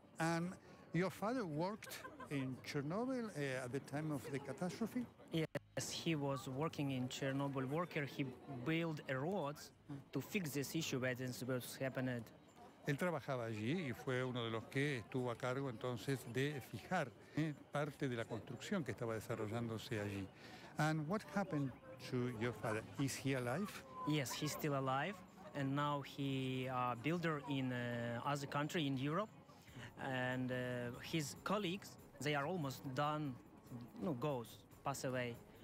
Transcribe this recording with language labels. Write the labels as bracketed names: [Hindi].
[English] And your father worked in Chernobyl at the time of the catastrophe? Yes, he was working in Chernobyl worker. He built a road to fix this issue where this was happened. [Spanish] Él trabajaba allí y fue uno de los que estuvo a cargo entonces de fijar parte de la construcción que estaba desarrollándose allí. [English] And what happened to your father? Is he alive? Yes, he's still alive. And now he a builder in other country in Europe. And his colleagues, they are almost done, no, goes, pass away.